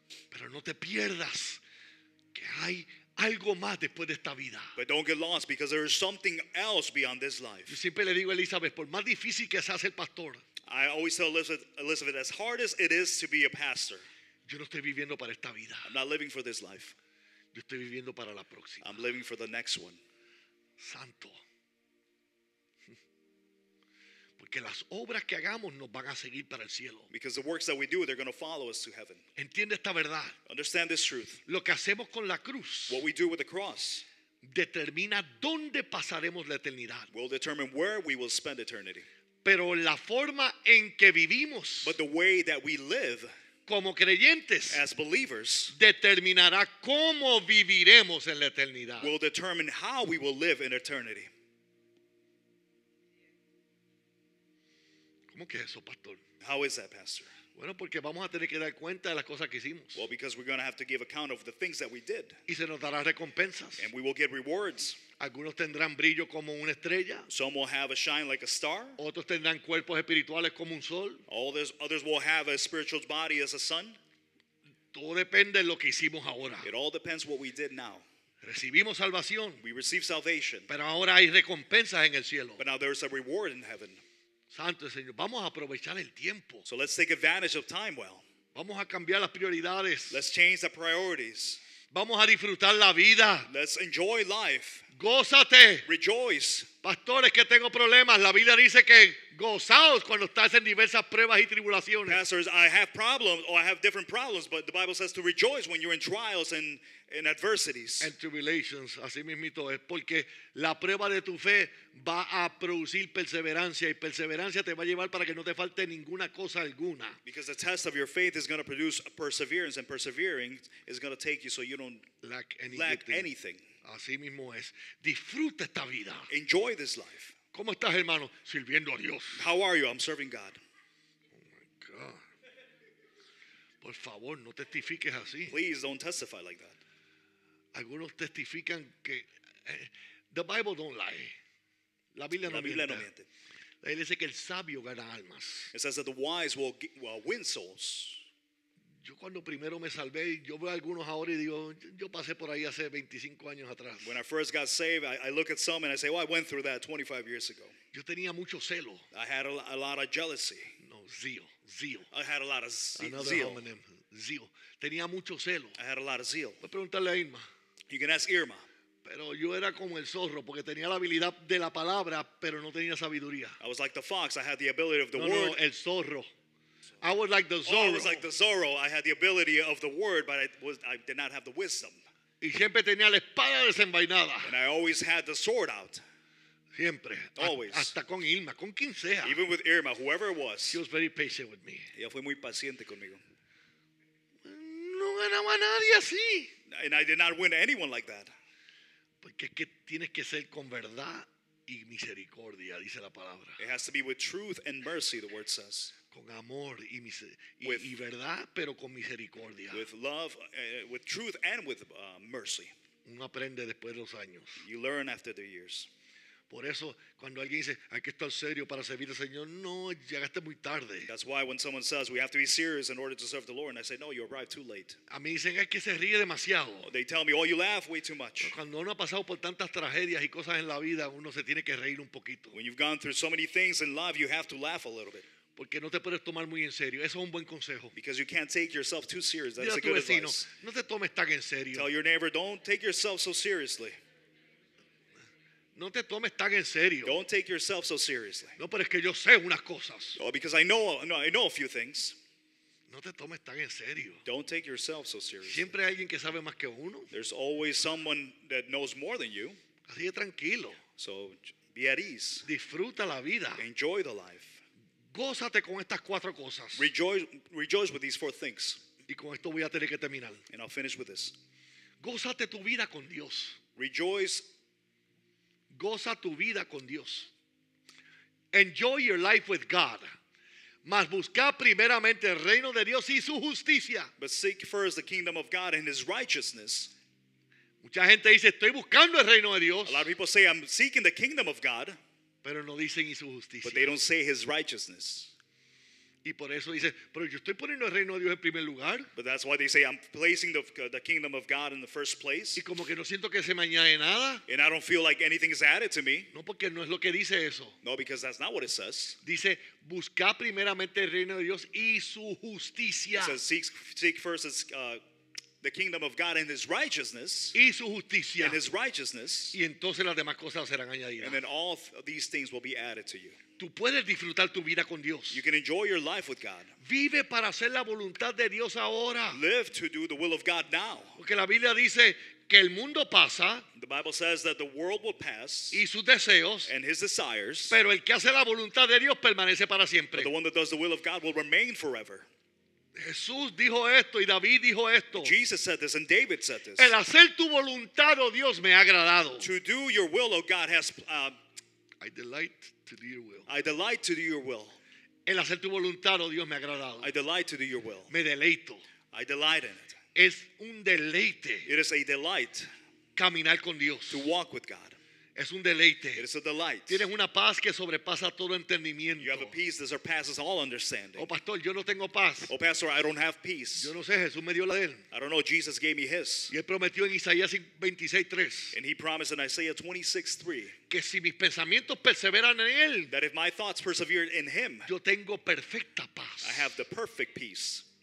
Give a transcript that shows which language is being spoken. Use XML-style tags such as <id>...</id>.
<es>Pero no te pierdas que hay algo más después de esta vida.</es> <en>But don't get lost because there is something else beyond this life.</en> <es>Yo siempre le digo a Elizabeth, por más difícil que sea ser pastor.</es> <en>I always tell Elizabeth, as hard as it is to be a pastor.</en> <es>Yo no estoy viviendo para esta vida.</es> <en>I'm not living for this life.</en> <es>Yo estoy viviendo para la próxima.</es> <en>I'm living for the next one.</en> <es>Santo. Porque las obras que hagamos nos van a seguir para el cielo.</es> <en>Because the works that we do, they're going to follow us to heaven.</en> <es>Entiende esta verdad.</es> <en>Understand this truth.</en> <es>Lo que hacemos con la cruz.</es> <en>What we do with the cross.</en> <es>determina dónde pasaremos la eternidad.</es> <en>Will determine where we will spend eternity.</en> <es>Pero la forma en que vivimos,</es> <en>but the way that we live,</en> <es>como creyentes,</es> <en>as believers,</en> <es>determinará cómo viviremos en la eternidad.</es> <en>Will determine how we will live in eternity.</en> <es>¿Cómo que eso, pastor?</es> <en>How is that, pastor?</en> <es>Bueno, porque vamos a tener que dar cuenta de las cosas que hicimos.</es> <en>Well, because we're going to have to give account of the things that we did.</en> <es>Y se nos dará recompensas.</es> <en>And we will get rewards.</en> <es>Algunos tendrán brillo como una estrella.</es> <en>Some will have a shine like a star.</en> <es>Otros tendrán cuerpos espirituales como un sol.</es> <en>Others will have a spiritual body as a sun.</en> <es>Todo depende de lo que hicimos ahora.</es> <en>It all depends what we did now.</en> <es>Recibimos salvación.</es> <en>We receive salvation.</en> <es>Pero ahora hay recompensas en el cielo.</es> <en>But now there's a reward in heaven. Santo Señor, vamos a aprovechar el tiempo. So let's take advantage of time well.</en> <es>Vamos a cambiar las prioridades.</es> <en>Let's change the priorities.</en> <es>Vamos a disfrutar la vida.</es> <en>Let's enjoy life.</en> <es>Gózate.</es> <en>Rejoice.</en> <es>Pastores, que tengo problemas. La Biblia dice que gozaos cuando estás en diversas pruebas y tribulaciones.</es> <en>Pastors, I have problems or I have different problems, but the Bible says to rejoice when you're in trials and in adversities. And tribulations,</en> <es>así mismito es, porque la prueba de tu fe va a producir perseverancia y perseverancia te va a llevar para que no te falte ninguna cosa alguna.</es> <en>Because the test of your faith is going to produce perseverance and persevering is going to take you so you don't lack anything.</en> <es>Así mismo es. Disfruta esta vida.</es> <en>Enjoy this life.</en> <es>¿Cómo estás, hermano? Sirviendo a Dios.</es> <en>How are you? I'm serving God. Oh my God.</en> <es>Por favor, no testifiques así.</es> <en>Please don't testify like that.</en> <es>Algunos testifican que</es> <en>the Bible don't lie.</en> <es>La Biblia no miente. La Biblia no miente. La Biblia dice que el sabio gana almas.</es> <en>It says that the wise will win souls.</en> <es>Yo cuando primero me salvé, yo veo algunos ahora y digo, yo pasé por ahí hace 25 años atrás.</es> <en>When I first got saved, I look at some and I say, well, I went through that 25 years ago.</en> <es>Yo tenía mucho celo.</es> <en>I had a lot of jealousy. No, zeal. I had a lot of zeal. Another homonym, zeal.</en> <es>Tenía mucho celo.</es> <en>I had a lot of zeal.</en> <es>Voy a preguntarle a Irma.</es> <en>You can ask Irma.</en> <es>Pero yo era como el zorro porque tenía la habilidad de la palabra, pero no tenía sabiduría.</es> <en>I was like the fox. I had the ability of the word.</en> <es>No, el zorro.</es> <en>I was like the Zorro. Oh, I was like the Zorro. I had the ability of the word, but I did not have the wisdom.</en> <es>Y siempre tenía la espada desenvainada.</es> <en>And I always had the sword out.</en> <es>Siempre.</es> <en>Always.</en> <es>Hasta con Irma, con quien sea.</es> <en>Even with Irma, whoever it was. She was very patient with me.</en> <es>Ella fue muy paciente conmigo. No ganaba a nadie así.</es> <en>And I did not win anyone like that.</en> <es>Porque es que tienes que ser con verdad y misericordia, dice la palabra.</es> <en>It has to be with truth and mercy, the word says.</en> <es>Con amor y y verdad, pero con misericordia.</es> <en>With love, with truth and with mercy.</en> <es>Uno aprende después de los años.</es> <en>You learn after the years.</en> <es>Por eso, cuando alguien dice, hay que estar serio para servir al Señor, no, llegaste muy tarde.</es> <en>That's why when someone says, we have to be serious in order to serve the Lord, and I say, no, you arrived too late.</en> <es>A mí dicen, es que se ríe demasiado.</es> <en>They tell me, oh, you laugh way too much.</en> <es>Pero cuando uno ha pasado por tantas tragedias y cosas en la vida, uno se tiene que reír un poquito.</es> <en>When you've gone through so many things in life, you have to laugh a little bit.</en> <es>Porque no te puedes tomar muy en serio. Eso es un buen consejo.</es> <en>Because you can't take yourself too serious. That's a good advice.</en> <es>No te tomes tan en serio.</es> <en>Tell your neighbor, don't take yourself so seriously.</en> <es>No te tomes tan en serio.</es> <en>Don't take yourself so seriously.</en> <es>No, pero es que yo sé unas cosas.</es> <en>Oh, because I know a few things.</en> <es>No te tomes tan en serio.</es> <en>Don't take yourself so seriously.</en> <es>Siempre hay alguien que sabe más que uno.</es> <en>There's always someone that knows more than you.</en> <es>Así que tranquilo.</es> <en>So be at ease.</en> <es>Disfruta la vida.</es> <en>Enjoy the life.</en> <es>Gózate con estas cuatro cosas.</es> <en>Rejoice with these four things.</en> <es>Y con esto voy a tener que terminar.</es> <en>And I'll finish with this.</en> <es>Gózate tu vida con Dios.</es> <en>Rejoice.</en> <es>Goza tu vida con Dios.</es> <en>Enjoy your life with God.</en> <es>Mas busca primeramente el reino de Dios y su justicia.</es> <en>But seek first the kingdom of God and his righteousness.</en> <es>Mucha gente dice, estoy buscando el reino de Dios.</es> <en>A lot of people say, I'm seeking the kingdom of God.</en> <es>Pero no dicen y su justicia.</es> <en>But they don't say his righteousness.</en> <es>Y por eso dice, pero yo estoy poniendo el reino de Dios en primer lugar.</es> <en>But that's why they say, I'm placing the kingdom of God in the first place.</en> <es>Y como que no siento que se me añade nada.</es> <en>And I don't feel like anything is added to me.</en> <es>No, porque no es lo que dice eso.</es> <en>No, because that's not what it says.</en> <es>Dice, busca primeramente el reino de Dios y su justicia.</es> <en>It says, seek first the kingdom of God and his righteousness.</en> <es>Y su justicia.</es> <en>And his righteousness.</en> <es>Y entonces las demás cosas serán añadidas.</es> <en>And then all these things will be added to you.</en> <es>Tú puedes disfrutar tu vida con Dios.</es> <en>You can enjoy your life with God.</en> <es>Vive para hacer la voluntad de Dios ahora.</es> <en>Live to do the will of God now.</en> <es>Porque la Biblia dice que el mundo pasa,</es> <en>the Bible says that the world will pass,</en> <es>y sus deseos,</es> <en>and his desires,</en> <es>pero el que hace la voluntad de Dios permanece para siempre.</es> <en>But the one that does the will of God will remain forever.</en> <es>Jesús dijo esto y David dijo esto.</es> <en>Jesus said this and David said this.</en> <es>El hacer tu voluntad, oh Dios, me ha agradado.</es> <en>To do your will, oh God, has I delight to do your will. I delight to do your will.</en> <es>El hacer tu voluntad, oh Dios, me ha agradado.</es> <en>I delight to do your will.</en> <es>Me deleito.</es> <en>I delight in it.</en> <es>Es un deleite.</es> <en>It is a delight.</en> <es>Caminar con Dios.</es> <en>To walk with God.</en> <es>Es un deleite.</es> <en>It is a delight.</en> <es>Tienes una paz que sobrepasa todo entendimiento.</es> <en>You have a peace that surpasses all understanding.</en> <es>Oh, pastor, yo no tengo paz.</es> <en>Oh, pastor, I don't have peace.</en> <es>Yo no sé, Jesús me dio la de él.</es> <en>I don't know, Jesus gave me his.</en> <es>Y él prometió en Isaías 26:3.</es> <en>And he promised in Isaiah 26:3.</en> <es>Que si mis pensamientos perseveran en él.</es> <en>That if my thoughts persevere in him.</en> <es>Yo tengo perfecta paz.</es> <en>I have the perfect peace.</en>